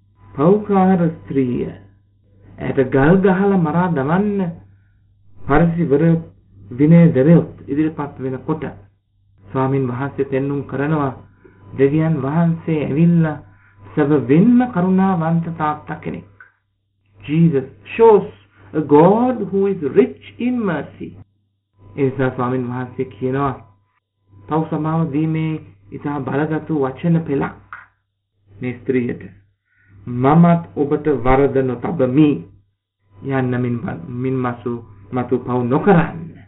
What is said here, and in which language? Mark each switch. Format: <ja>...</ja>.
<si>පෞකාර ස්ත්‍රිය ඇයට ගල් ගහලා මරා දමන්න පරිසිවර විනය දරයොත් ඉදිරිපත් වෙන කොට ස්වාමින් වහන්සේ පෙන්නුම් කරනවා දෙවියන් වහන්සේ ඇවිල්ලා සැබවින්ම කරුණාවන්ත තාත්තා කෙනෙක්.</si> <en>Jesus shows a God who is rich in mercy.</en> <si>එනිසා ස්වාමින් වහන්සේ කියනවා තව සමාව දීමේ ඉතා බලගත් වචන පෙළක් මේ ස්ත්‍රියට. මමත් ඔබට වරද නොතබමි. යන්න මින් මසු මතු පව නොකරන්න.</si>